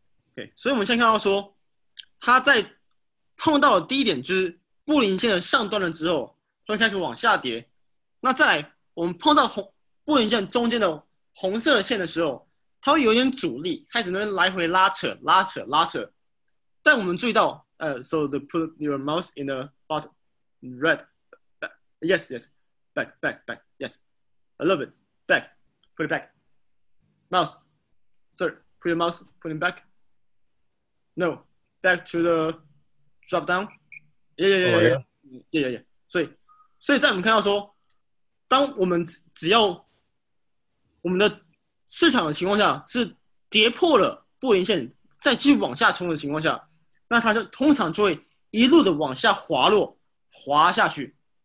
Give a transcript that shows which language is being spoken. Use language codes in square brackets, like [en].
[zh] Okay, 所以我们先看到说，它在碰到了低点，就是布林线的上端了之后，它会开始往下跌。那再来，我们碰到红。布林线中间的红色的线的时候，它会有点阻力，开始那边来回拉扯、拉扯、拉扯。但我们注意到， [en] so the put your mouse in the bottom red, yes, yes, back, back, back, yes, a little bit back, put it back, mouse, sir, put your mouse, put it back, no, back to the drop down, yeah. [zh] 所以在我们看到说，当我们只要我们的市场的情况下是跌破了布林线，再继续往下冲的情况下，那它就通常就会一路的往下滑落，滑下去。